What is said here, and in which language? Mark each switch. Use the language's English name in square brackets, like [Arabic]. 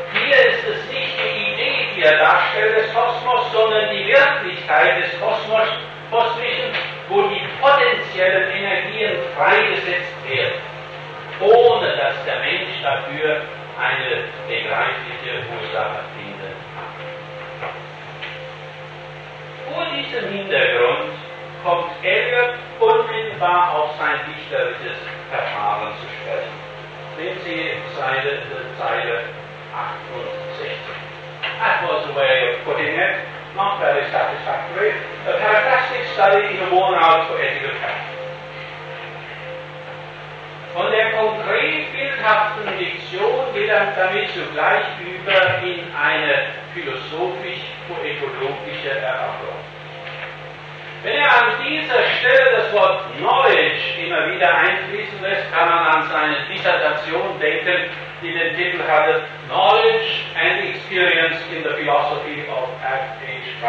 [German] Hier ist es nicht die Idee, die er darstellt, des Kosmos, sondern die Wirklichkeit des Kosmos, kosmischen, wo die potenziellen Energien freigesetzt werden, ohne dass der Mensch dafür eine begreifliche Ursache finden kann. Vor diesem Hintergrund kommt Eliot unmittelbar auf sein dichterisches Verfahren zu sprechen. Nehmen Sie Zeile 68. [English] That was a way of putting it, not very satisfactory, a fantastic study in a worn-out poetical fashion. [German] Von der konkret bildhaften Diktion will er damit zugleich über in eine philosophisch-poetologische Erörterung. Wenn er an dieser Stelle das Wort Knowledge immer wieder einfließen lässt, kann man an seine Dissertation denken, die den Titel hatte Knowledge and Experience in the Philosophy of F.H.